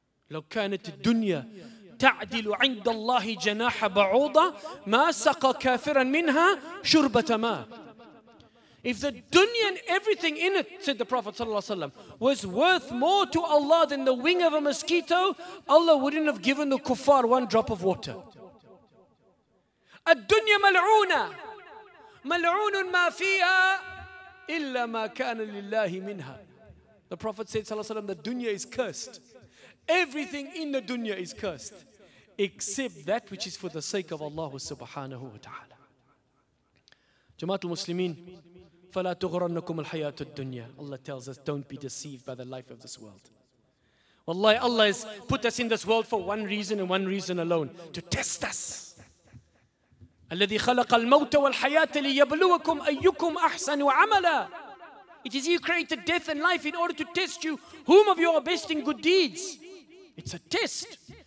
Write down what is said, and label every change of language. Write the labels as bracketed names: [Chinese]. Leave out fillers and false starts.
[Arabic] لو كانت الدنيا تعدل عند الله جناح بعوضة ما سقى كافرا منها شربة ماء. [English] If the dunya and everything in it, said the Prophet ﷺ, was worth more to Allah than the wing of a mosquito, Allah wouldn't have given the kuffar one drop of water. [Arabic] الدنيا ملعونة ملعون ما فيها إلا ما كان لله منها. [English] The Prophet said, ﷺ, the dunya is cursed. Everything in the dunya is cursed, except that which is for the sake of Allah subhanahu wa ta'ala. Jamaat al-Muslimin, [Arabic] فَلَا تُغْرَنَّكُمُ الْحَيَاةُ الدُّنْيَا. [English] Allah tells us, don't be deceived by the life of this world. Wallahi, Allah has put us in this world for one reason and one reason alone, to test us. [Arabic] الَّذِي خَلَقَ الْمَوْتَ وَالْحَيَاةَ لِيَبْلُوَكُمْ أَيُّكُمْ أَحْسَنُ عَمَلًا. [English] It is He who created death and life in order to test you, whom of you are best in good deeds. It's a test.